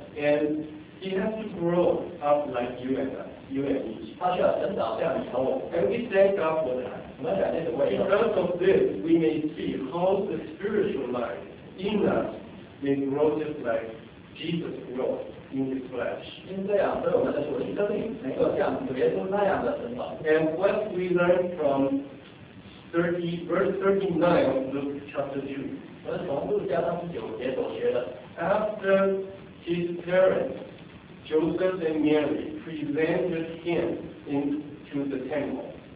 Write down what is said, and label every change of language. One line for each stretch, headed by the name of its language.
English: And he has to grow up like you and us, you and me.
Chinese: 他需要成长，像你和我。
English: And we thank God for that.
Chinese: 我们感谢神为这个。
English: Because of this, we may see how the spiritual life in us may grow just like Jesus grew in his flesh.
Chinese: 因这样，所以我们的属灵生命能够像耶稣那样的成长。
English: And what we learn from verse 39 of Luke chapter 2.
Chinese: 我们从路加39节所学的。
English: After his parents, Joseph and Mary presented him into the temple.